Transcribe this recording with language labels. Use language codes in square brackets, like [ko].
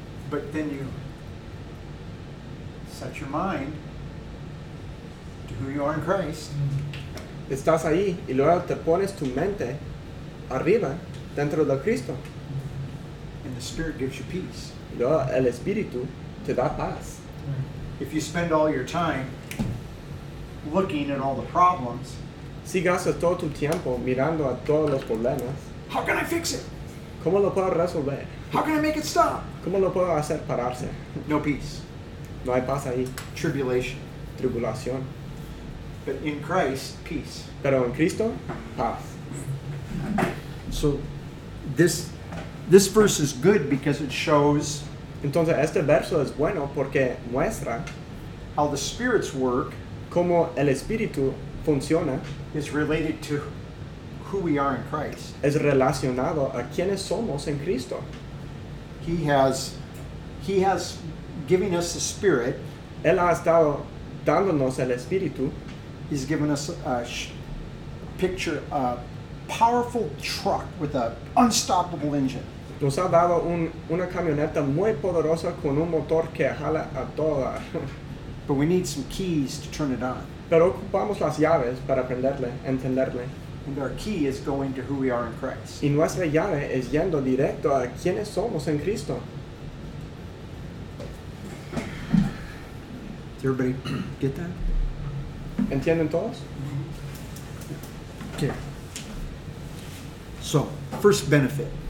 [en] But then you set your mind to who you are in Christ. Mm-hmm. [es] Estás ahí, y luego te pones tu mente arriba, dentro de Cristo. Mm-hmm. [en] And the Spirit gives you peace. [es] Y luego el Espíritu te da paz. Mm-hmm. [en] If you spend all your time looking at all the problems. [es] Si gastas todo tu tiempo mirando a todos los problemas. [en] How can I fix it? [es] ¿Cómo lo puedo resolver? [en] How can I make it stop? [es] ¿Cómo lo puedo hacer pararse? [en] No peace. [es] No hay paz ahí. [en] Tribulation. [es] Tribulación. [en] But in Christ, peace. [es] Pero en Cristo, paz. [en] So this verse is good because it shows. [es] Entonces este verso es bueno porque muestra [en] how the Spirit's work, [es] cómo el Espíritu funciona, [en] is related to who we are in Christ. [es] Es relacionado a quiénes somos en Cristo. [en] He has given us the Spirit. [es] Él ha estado dándonos el Espíritu. [en] He's given us picture a powerful truck with an unstoppable engine. [es] Nos ha dado una camioneta muy poderosa con un motor que jala a toda. [en] But we need some keys to turn it on. [es] Pero ocupamos las llaves para aprenderle, entenderle. [en] And our key is going to who we are in Christ. [es] Y nuestra llave es yendo directo a quienes somos en Cristo. [en] Did everybody get that? [es] ¿Entienden todos? [en] Okay. So, first benefit.